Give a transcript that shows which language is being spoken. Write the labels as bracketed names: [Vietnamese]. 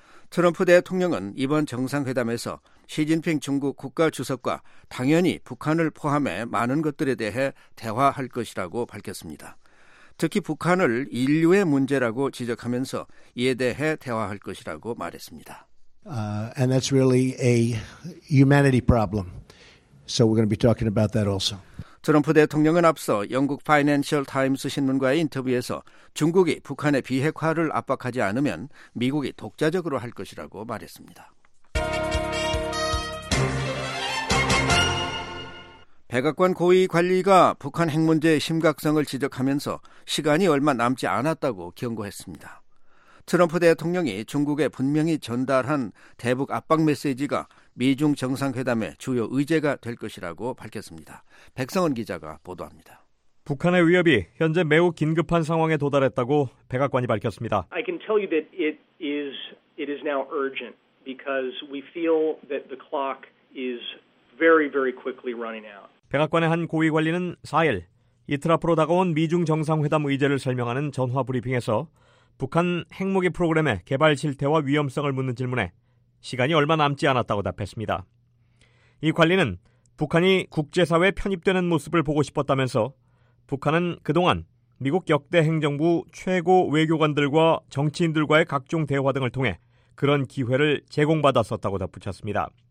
[Korean] 트럼프 대통령은 이번 정상회담에서 시진핑 중국 국가주석과 당연히 북한을 포함해 많은 것들에 대해 대화할 것이라고 밝혔습니다. 특히 북한을 인류의 문제라고 지적하면서 이에 대해 대화할 것이라고 말했습니다. [English] And that's really a humanity problem. So we're going to be talking about that also. [Korean] 트럼프 대통령은 앞서 영국 파이낸셜 타임스 신문과의 인터뷰에서 중국이 북한의 비핵화를 압박하지 않으면 미국이 독자적으로 할 것이라고 말했습니다. 백악관 고위 관리가 북한 핵 문제의 심각성을 지적하면서 시간이 얼마 남지 않았다고 경고했습니다. 트럼프 대통령이 중국에 분명히 전달한 대북 압박 메시지가 미중 정상회담의 주요 의제가 될 것이라고 밝혔습니다. 백성원 기자가 보도합니다. 북한의 위협이 현재 매우 긴급한 상황에 도달했다고 백악관이 밝혔습니다. [English] I can tell you that it is now urgent because we feel that the clock is very very quickly running out. [Korean] 백악관의 한 고위 관리는 4일 이틀 앞으로 다가온 미중 정상회담 의제를 설명하는 전화 브리핑에서 북한 핵무기 프로그램의 개발 실태와 위험성을 묻는 질문에 시간이 얼마 남지 않았다고 답했습니다. 이 관리는 북한이 국제사회에 편입되는 모습을 보고 싶었다면서 북한은 그동안 미국 역대 행정부 최고 외교관들과 정치인들과의 각종 대화 등을 통해 그런 기회를 제공받았었다고 덧붙였습니다.